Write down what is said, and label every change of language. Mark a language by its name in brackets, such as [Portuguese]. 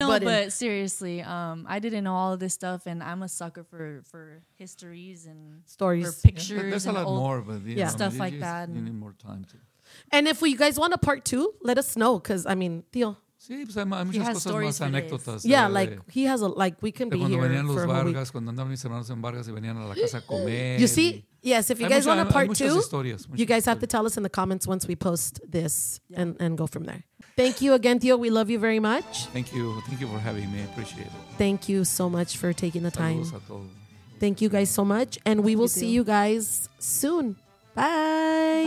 [English] No, but seriously, I didn't know all of this stuff, and I'm a sucker for histories and stories, for pictures. Yeah, there's and a lot more, but yeah, stuff like that. You need more time to. And if you guys want a part two, let us know, because I mean, Theo. [Spanish] Sí, pues hay muchas cosas más anécdotas. [English] Yeah, like he has a we can be here. [Spanish] Cuando venían los Vargas, cuando andaban mis hermanos en Vargas y venían a la casa a comer. [English] You see? Yes, if you guys want a part two, you guys have to tell us in the comments once we post this and go from there. Thank you again, Theo. We love you very much. Thank you. Thank you for having me. I appreciate it. Thank you so much for taking the time. Thank you guys so much. And we will see you guys soon. Bye.